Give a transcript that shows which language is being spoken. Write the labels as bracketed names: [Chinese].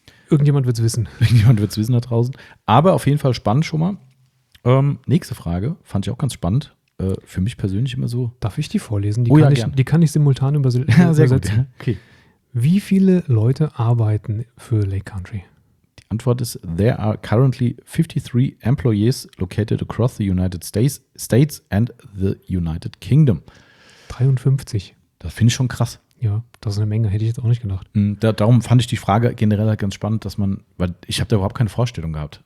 [German] Irgendjemand wird es wissen. Irgendjemand wird es wissen da draußen. Aber auf jeden Fall spannend schon mal. Nächste Frage, fand ich auch ganz spannend. Für mich persönlich immer so. Darf ich die vorlesen? Die kann ich simultan übersetzen. Ja, sehr gut. Okay. Wie viele Leute arbeiten für Lake Country? Die Antwort ist, [English] there are currently 53 employees located across the United States and the United Kingdom. [German] 53. Das finde ich schon krass. Ja, das ist eine Menge, hätte ich jetzt auch nicht gedacht. Darum fand ich die Frage generell halt ganz spannend, weil ich habe da überhaupt keine Vorstellung gehabt.